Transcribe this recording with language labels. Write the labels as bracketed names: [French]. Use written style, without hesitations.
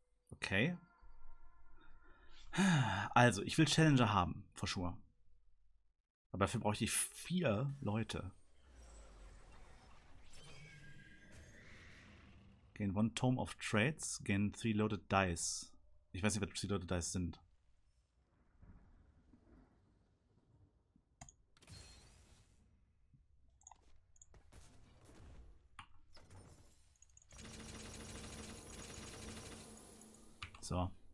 [German] Okay. Also, ich will Challenger haben, [English] for sure. [German] Aber dafür brauche ich 4 Leute. [English] Gain 1 Tome of Trades, gain 3 Loaded Dice. [German] Ich weiß nicht, was 3 Loaded Dice sind. So.